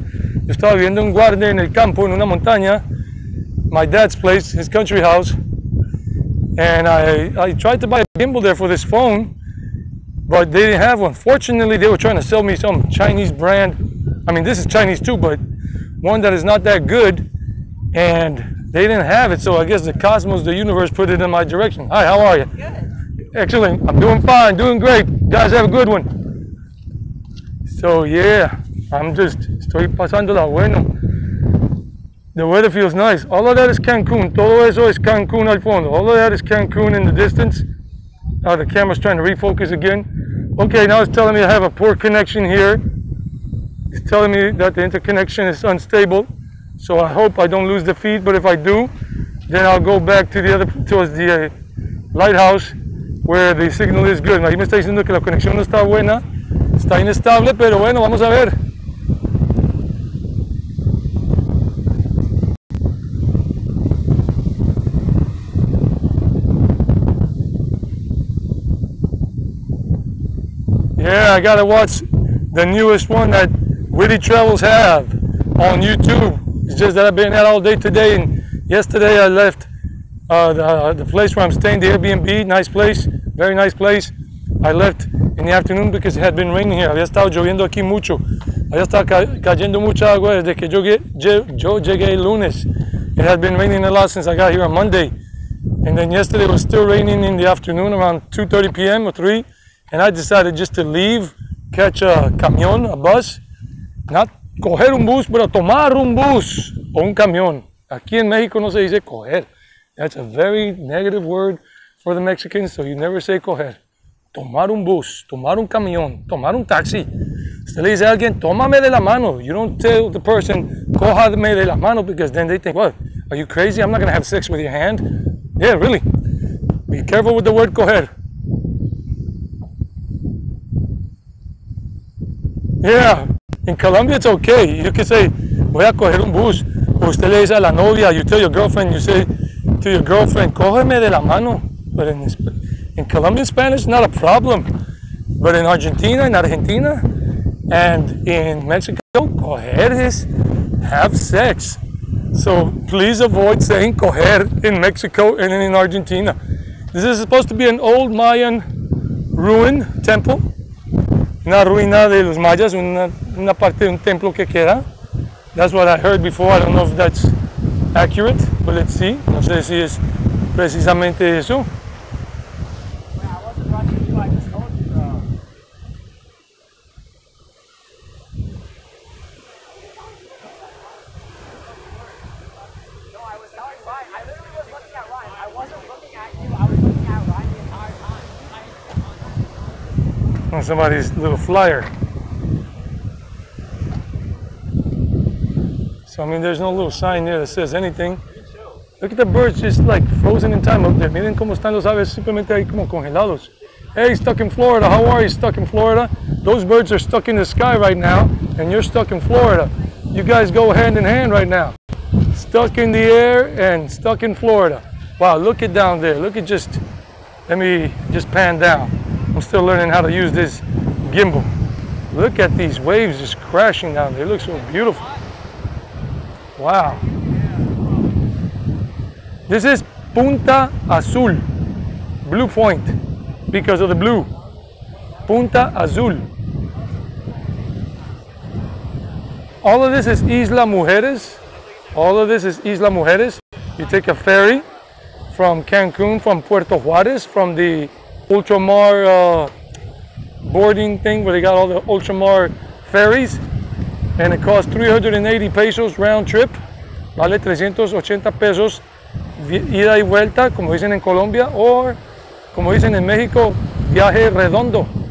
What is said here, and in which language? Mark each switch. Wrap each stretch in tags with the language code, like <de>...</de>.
<es>Yo estaba viviendo en Guarne, en el campo, en una montaña.</es> <en>My dad's place, his country house. And I tried to buy a gimbal there for this phone, but they didn't have one. Fortunately, they were trying to sell me some Chinese brand. I mean, this is Chinese too, but one that is not that good. And they didn't have it, so I guess the cosmos, the universe, put it in my direction. Hi, how are you? Good. Excellent. I'm doing fine, doing great. You guys have a good one. So, yeah, I'm just,</en> <es>estoy pasando la bueno.</es> <en>The weather feels nice. All of that is Cancun.</en> <es>Todo eso es Cancun al fondo.</es> <en>All of that is Cancun in the distance. Oh, the camera's trying to refocus again. Okay, now it's telling me I have a poor connection here. It's telling me that the interconnection is unstable. So I hope I don't lose the feed, but if I do, then I'll go back to the other, towards the lighthouse where the signal is good.</en> <es>Ahí me está diciendo que la conexión no está buena. Está inestable, pero bueno, vamos a ver.</es> <en>Yeah, I gotta watch the newest one that Witty Travels have on YouTube. It's just that I've been out all day today, and yesterday I left the place where I'm staying, the Airbnb, nice place, very nice place. I left in the afternoon because it had been raining here.</en> <es>Había estado lloviendo aquí mucho. Había estado cayendo mucha agua desde que yo llegué el lunes.</es> <en>It had been raining a lot since I got here on Monday. And then yesterday it was still raining in the afternoon around 2:30 p.m. or 3. And I decided just to leave, catch a camion, a bus, not</en> <es>coger un bus, pero tomar un bus o un camión. Aquí en México no se dice coger.</es> <en>That's a very negative word for the Mexicans, so you never say coger.</en> <es>Tomar un bus, tomar un camión, tomar un taxi. Usted le dice a alguien, tómame de la mano.</es> <en>You don't tell the person,</en> <es>cójame de la mano,</es> <en>because then they think, what, are you crazy? I'm not going to have sex with your hand. Yeah, really. Be careful with the word coger. Yeah. In Colombia, it's okay. You can say,</en> <es>voy a coger un bus. O usted le dice a la novia,</es> <en>you tell your girlfriend, you say to your girlfriend,</en> <es>cógeme de la mano.</es> <en>But in Colombian Spanish, not a problem. But in Argentina, in Argentina, and in Mexico, coger is have sex. So please avoid saying coger in Mexico and in Argentina. This is supposed to be an old Mayan ruin temple.</en> <es>Una ruina de los mayas, una parte de un templo que queda.</es> <en>That's what I heard before. I don't know if that's accurate, but let's see.</en> <es>No sé si es precisamente eso.</es> <en>Well, I wasn't watching you, I just told you, bro. No, I was telling Ryan. I literally was looking at Ryan. I wasn't looking at you. I was looking at Ryan the entire time. On somebody's little flyer. So, I mean, there's no little sign there that says anything. Look at the birds just like frozen in time up there.</en> <es>Miren como están los aves simplemente ahí como congelados.</es> <en>Hey, stuck in Florida. How are you stuck in Florida? Those birds are stuck in the sky right now, and you're stuck in Florida. You guys go hand in hand right now. Stuck in the air and stuck in Florida. Wow, look at down there. Look at just, let me just pan down. I'm still learning how to use this gimbal. Look at these waves just crashing down there. It looks so beautiful. Wow. This is Punta Azul, Blue Point, because of the blue. Punta Azul. All of this is Isla Mujeres. All of this is Isla Mujeres. You take a ferry from Cancun, from Puerto Juarez, from the ultramar boarding thing where they got all the ultramar ferries. And it costs 380 pesos round trip.</en> <es>Vale 380 pesos ida y vuelta, como dicen en Colombia, or como dicen en México, viaje redondo.</es>